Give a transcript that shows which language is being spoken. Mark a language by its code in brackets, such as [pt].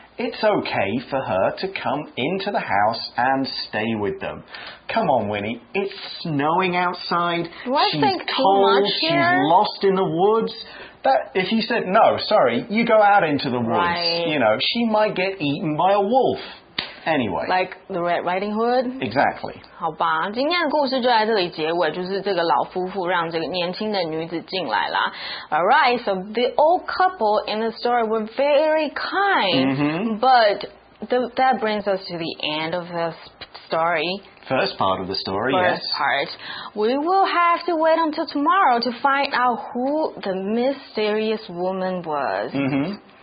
[en] It's okay for her to come into the house and stay with them. Come on, Winnie. It's snowing outside. What, she's cold. She's lost in the woods. That, if you said, no, sorry, you go out into the woods. Right. You know, she might get eaten by a wolf. Anyway, like the Red Riding Hood? Exactly. [zh] 好吧，今天的故事就在这里结尾，就是这个老夫妇让这个年轻的女子进来啦。 [en] Alright, so the old couple in the story were very kind, but that brings us to the end of the story. First part of the story, First part. We will have to wait until tomorrow to find out who the mysterious woman was.